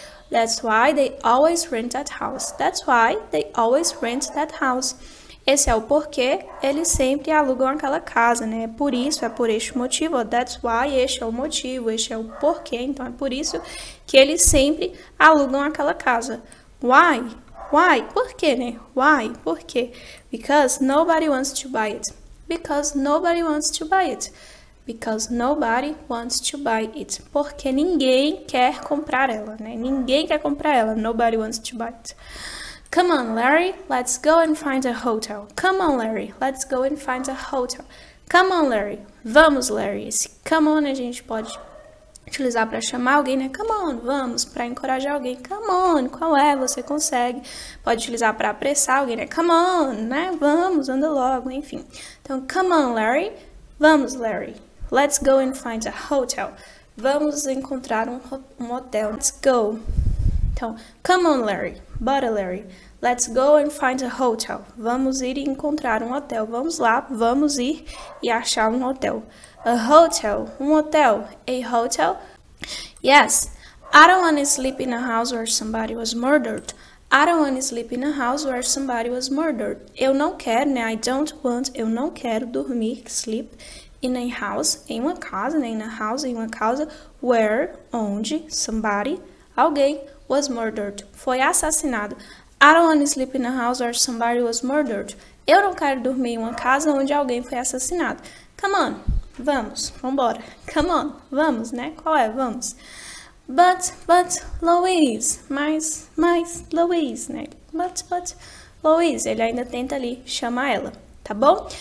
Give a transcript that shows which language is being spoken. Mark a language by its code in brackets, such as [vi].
[en] That's why they always rent that house. That's why they always rent that house. [pt] Esse é o porquê eles sempre alugam aquela casa, né? Por isso, é por este motivo, [en] that's why, [pt] este é o motivo, este é o porquê. Então, é por isso que eles sempre alugam aquela casa. [en] Why? Why? [pt] Por quê, né? Why? Por quê? [en] Because nobody wants to buy it. Because nobody wants to buy it. Because nobody wants to buy it. [pt] Porque ninguém quer comprar ela, né? Ninguém quer comprar ela. [en] Nobody wants to buy it. Come on, Larry, let's go and find a hotel. Come on, Larry, let's go and find a hotel. Come on, Larry. [pt] Vamos, Larry. Esse [en] come on [pt] a gente pode utilizar para chamar alguém, né? [en] Come on, [pt] vamos, para encorajar alguém. Come on, qual é? Você consegue. Pode utilizar para apressar alguém, né? [en] Come on, [pt] né? Vamos, anda logo, enfim. [en] Então, come on, Larry. [pt] Vamos, Larry. [en] Let's go and find a hotel. [pt] Vamos encontrar um hotel. [en] Let's go. [pt] Então, [en] come on, [pt] Larry. Bora, Larry. [en] Let's go and find a hotel. [pt] Vamos ir e encontrar um hotel. Vamos lá, vamos ir e achar um hotel. [en] A hotel. [pt] Um hotel. [en] A hotel. Yes. I don't want to sleep in a house where somebody was murdered. I don't want to sleep in a house where somebody was murdered. [pt] Eu não quero, né? [en] I don't want. [pt] Eu não quero dormir, [en] sleep in a house. [pt] Em uma casa, né? [en] In a house, [pt] em uma casa. [en] Where, [pt] onde, [en] somebody, [pt] alguém [en] was murdered. [pt] Foi assassinado. [en] I don't want to sleep in a house where somebody was murdered. [pt] Eu não quero dormir em uma casa onde alguém foi assassinado. [en] Come on. [pt] Vamos. Vambora. Come on. Vamos, né? Qual é? Vamos. But, Louise. Mas, Louise, né? But, Louise. Ele ainda tenta ali chamar ela. Tá bom?